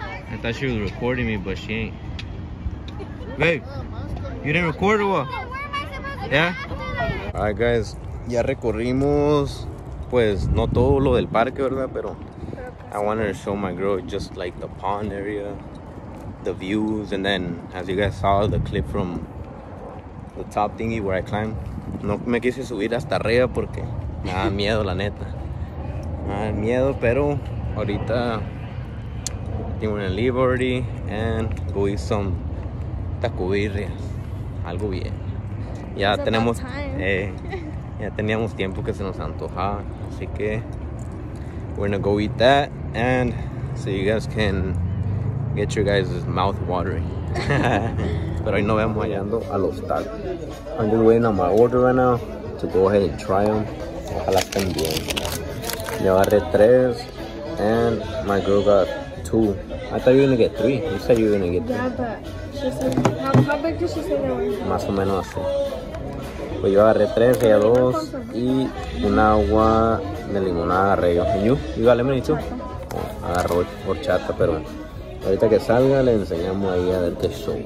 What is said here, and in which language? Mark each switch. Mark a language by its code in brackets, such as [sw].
[en] I thought she was recording me, but she ain't. Babe, you didn't record or what? Yeah? Alright guys, [es] ya recorrimos, pues, no todo lo del parque, ¿verdad? Pero [en] I wanted to show my girl just like the pond area, the views, and then, as you guys saw, the clip from the top thingy where I climbed. [es] No me quise subir hasta arriba porque me da miedo, la neta. Me da miedo, pero ahorita tengo una [en] liberty and go eat some [es] tacubirria. Algo bien. Ya [en] it's [es] tenemos. Ya teníamos tiempo que se nos antojaba. Así que. [en] We're gonna go eat that and so you guys can get your guys' mouth watering. [es] Pero ahí nos vemos hallando a los tacos. [en] I'm just waiting on my order right now to go ahead and try them. [es] Ojalá estén bien. Yo agarré tres [en] and my girl got two. I thought you were gonna get three. You said you were gonna get three. Yeah, but she said, how big did she say they were? [es] Más o menos así. Pues yo agarré tres, ella dos y un agua de limonada agarré yo. [en] And you got lemonade too? [es] Agarro horchata, pero ahorita que salga le enseñamos ahí a ver qué show.